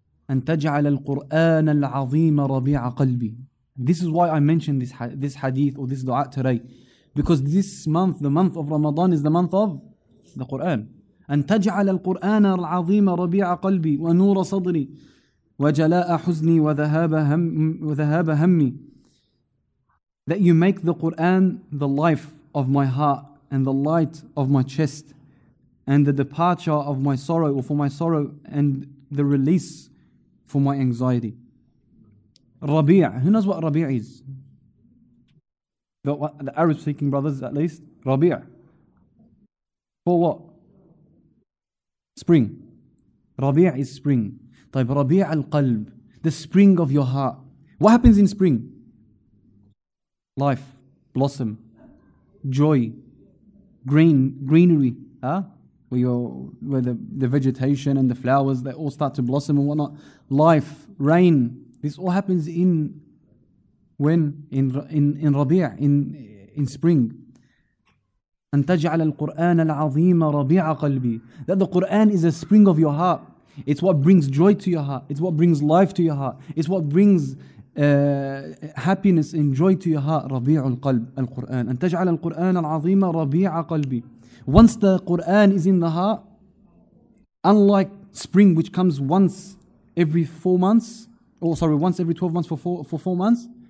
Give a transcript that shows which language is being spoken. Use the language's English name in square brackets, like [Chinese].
[Arabic] أن تجعل القرآن العظيم ربيع قلبي. [English] This is why I mentioned this hadith or this dua today, because this month, the month of Ramadan, is the month of the Quran. [Arabic] أن تجعل القرآن العظيم ربيع قلبي ونور صدري وجلاء حزني وذهاب همي. [English] That you make the Quran the life, of my heart and the light of my chest and the departure of my sorrow or for my sorrow and the release for my anxiety. Rabi', who knows what Rabi' is? The Arab speaking brothers at least. Rabi', for what? Spring. Rabi' is spring. طيب Rabi' al-qalb, the spring of your heart. What happens in spring? Life, blossom, joy, greenery, huh? Where the vegetation and the flowers, they all start to blossom and whatnot. Life, rain, this all happens in Rabi', in spring. [Arabic] أن تجعل القرآن العظيم ربيع قلبي. [English] That the Quran is a spring of your heart. It's what brings joy to your heart. It's what brings life to your heart. It's what brings happiness and joy to your heart. [Arabic] ربيع القلب القرآن. أن تجعل القرآن العظيم ربيع قلبي. [English] Once the Quran is in the heart, unlike spring which comes once every 12 months for four months.